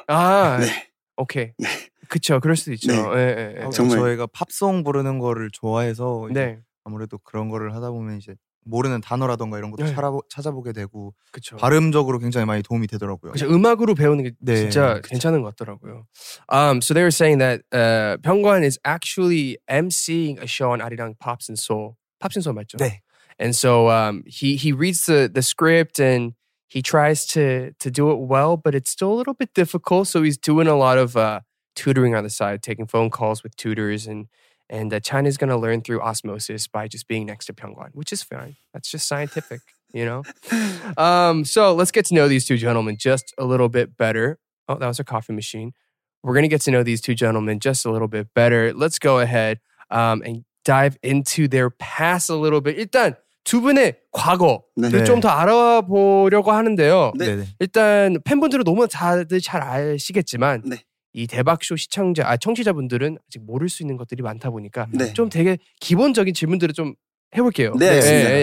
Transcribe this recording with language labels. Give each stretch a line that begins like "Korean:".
Korean: 아 네 오케이 네 그쵸 그럴 수도 있죠. 네. 네, 네, 네. 정말 저희가 팝송 부르는 거를 좋아해서 네. 아무래도 그런 거를 하다 보면 이제 모르는 단어라던가 이런 것도 네. 찾아보게 되고 그쵸. 발음적으로 굉장히 많이 도움이 되더라고요. 그쵸, 음악으로 배우는 게 네. 진짜 그쵸. 괜찮은 것 같더라고요.
English: So they were saying that 병관 is actually emceeing a show on Arirang Pops and Soul. Pops and Soul
Korean: 맞죠?
English: 네. And so he reads the script and he tries to do it well, but it's still a little bit difficult. So he's doing a lot of tutoring on the side, taking phone calls with tutors. And Chan is going to learn through osmosis by just being next to Pyeongwan, which is fine. That's just scientific, you know? So let's get to know these two gentlemen just a little bit better. Oh, that was a coffee machine. We're going to get to know these two gentlemen just a little bit better. Let's go ahead and dive into their past a little bit.
Korean: 일단 두 분의 과거를 네. 좀 더 알아보려고 하는데요. 네. 일단 팬분들은 너무 다들 잘 아시겠지만 네. 이 대박쇼 시청자, 아, 청취자분들은 아직 모를 수 있는 것들이 많다 보니까 네. 좀 되게 기본적인 질문들을 좀 해볼게요. 네, 네, 네